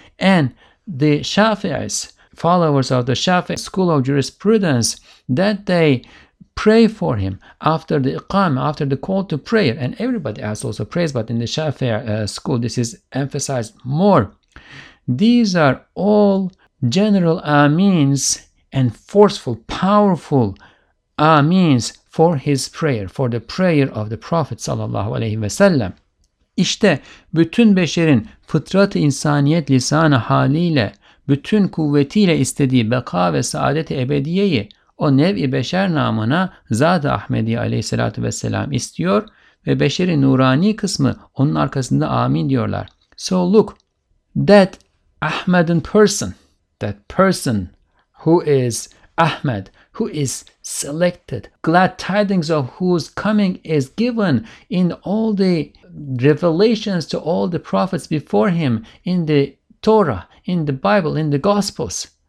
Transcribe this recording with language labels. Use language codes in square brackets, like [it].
[en] And the Shafi'is, followers of the Shafi'i school of jurisprudence, that they pray for him after the iqam, after the call to prayer, and everybody else also prays, but in the Shafi'i school this is emphasized more. These are all general ameens and forceful, powerful ameens for his prayer, for the prayer of the Prophet sallallahu aleyhi ve sellem. [tr] İşte bütün beşerin fıtrat-ı insaniyet lisan-ı haliyle bütün kuvvetiyle istediği beka ve saadet-i ebediyeyi o nev-i beşer namına Zat-ı Ahmediye aleyhissalatü vesselam istiyor ve beşeri nurani kısmı onun arkasında amin diyorlar. [en] So look, that Ahmedan person, that person who is Ahmed, who is selected, glad tidings of whose coming is given in all the revelations to all the prophets before him, in the Torah, in the Bible, in the Gospels,